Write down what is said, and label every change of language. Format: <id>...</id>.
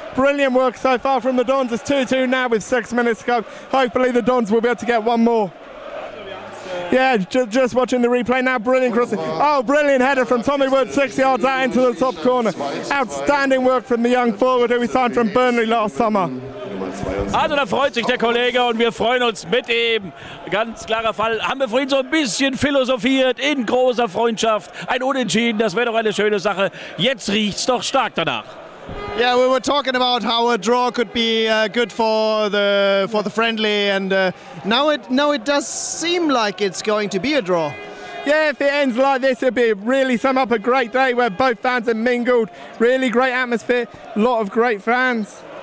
<en>Brilliant work so far from the Dons. It's 2-2 now with 6 minutes to go. Hopefully the Dons will be able to get one more. Yeah, just watching the replay now. Brilliant crossing. Oh, brilliant header from Tommy Wood, 6 yards out into the top corner. Outstanding work from the young forward who we signed from Burnley last summer.</en> <de>Also da freut sich der Kollege und wir freuen uns mit ihm. Ganz klarer Fall. Haben wir vorhin so ein bisschen philosophiert in großer Freundschaft. Ein Unentschieden, das wäre doch eine schöne Sache. Jetzt riecht's doch stark danach.</de> <en>Yeah, we were talking about how a draw could be good for the friendly and now it does seem like it's going to be a draw. Yeah, if it ends like this, it'll be really sum up a great day where both fans are mingled. Really great atmosphere, lot of great fans.</en>